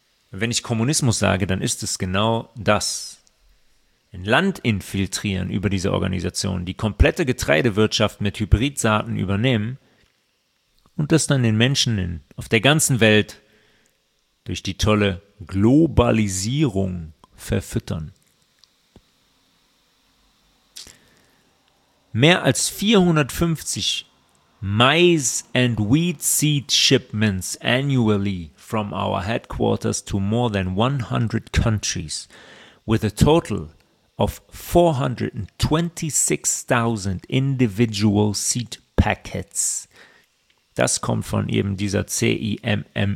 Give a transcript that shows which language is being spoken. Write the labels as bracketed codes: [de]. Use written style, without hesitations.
[de] Wenn ich Kommunismus sage, dann ist es genau das. Ein Land infiltrieren über diese Organisation, die komplette Getreidewirtschaft mit Hybridsaaten übernehmen und das dann den Menschen auf der ganzen Welt durch die tolle Globalisierung verfüttern. Mehr als [en] 450 Mais and Wheat Seed Shipments annually from our headquarters to more than 100 countries with a total of 426,000 individual seed packets. [de] Das kommt von eben dieser CIMMYT.